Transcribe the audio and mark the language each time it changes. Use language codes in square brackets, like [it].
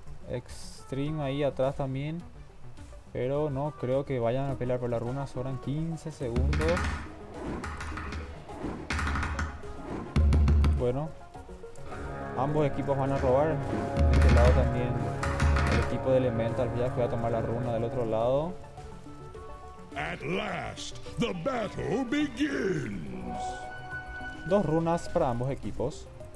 [es] Extreme ahí atrás también. Pero no creo que vayan a pelear por la runa, sobran 15 segundos. Bueno, ambos equipos van a robar. De este lado también el equipo de Elemental ya fue a tomar la runa del otro lado. [en] At last, the battle begins. [es] Dos runas para ambos equipos.